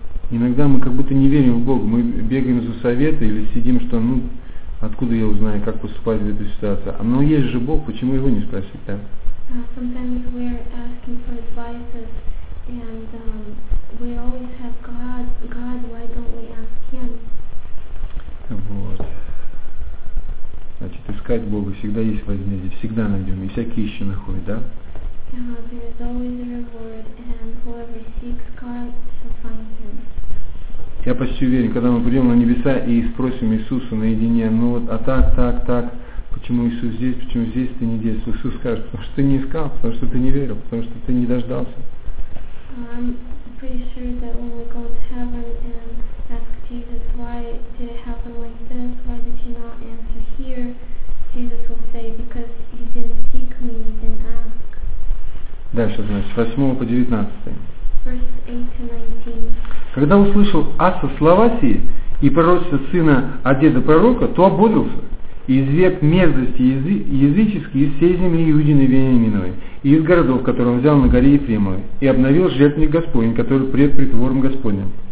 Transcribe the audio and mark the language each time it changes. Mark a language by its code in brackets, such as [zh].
[ru] Иногда мы как будто не верим в Бога. Мы бегаем за советы или сидим, что ну откуда я узнаю, как поступать в этой ситуации. Но есть же Бог, почему его не спросить, да? [en] Sometimes we are asking for advice and we always have God. God, why don't we ask Him? [ru] Вот. Значит, искать Бога всегда есть возмездие, всегда найдем, и всякий еще находит, да? [en] There is always a reward, and whoever seeks God shall find Him. [ru] Я почти уверен, когда мы придем на небеса и спросим Иисуса наедине, ну вот, а так, так, так, почему Иисус здесь, почему здесь ты не здесь? Иисус скажет, потому что ты не искал, потому что ты не верил, потому что ты не дождался. [en] I'm pretty sure that when we go to heaven and ask Jesus, why did it happen like this, why did you not answer here, Jesus will say, because you didn't seek me, you didn't ask. [ru] Дальше, значит, с 8 по 19. [en] Verse 8-19. [ru] Когда услышал Аса слова сии и пророчество сына Одеда пророка, то ободрился и изверг мерзости языческие из всей земли Иудины и Вениаминовой и из городов, которые он взял на горе Ефремовой, и обновил жертвенник Господень, который пред притвором Господним.